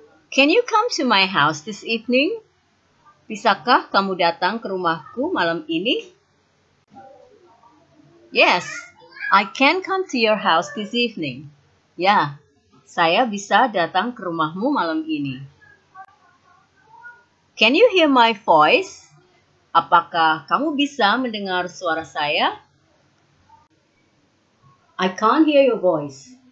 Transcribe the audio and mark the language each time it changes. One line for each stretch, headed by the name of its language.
English: Can you come to my house this evening?
Indonesian: Bisakah kamu datang ke rumahku malam ini?
English: Yes, I can come to your house this evening.
Indonesian: Ya, saya bisa datang ke rumahmu malam ini.
English: Can you hear my voice?
Indonesian: Apakah kamu bisa mendengar suara saya?
English: I can't hear your voice.